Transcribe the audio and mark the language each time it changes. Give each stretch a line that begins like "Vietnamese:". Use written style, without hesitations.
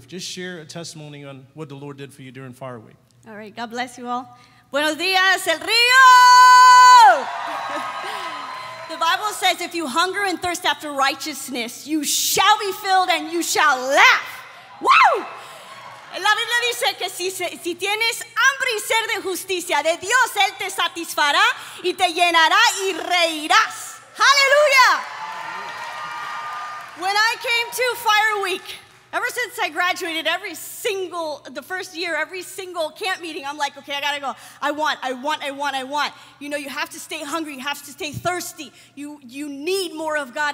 English: Just share a testimony on what the Lord did for you during Fire Week. All right, God bless you all.
Spanish: Buenos dias, el río!
English: The Bible says if you hunger and thirst after righteousness, you shall be filled and you shall laugh. Woo!
Spanish: La Biblia dice que si tienes hambre y sed de justicia de Dios, Él te satisfará y te llenará y reirás. Hallelujah!
English: When I came to Fire Week, ever since I graduated, the first year, every single camp meeting, I'm like, okay, I gotta go. I want. You know, you have to stay hungry. You have to stay thirsty. You need more of God.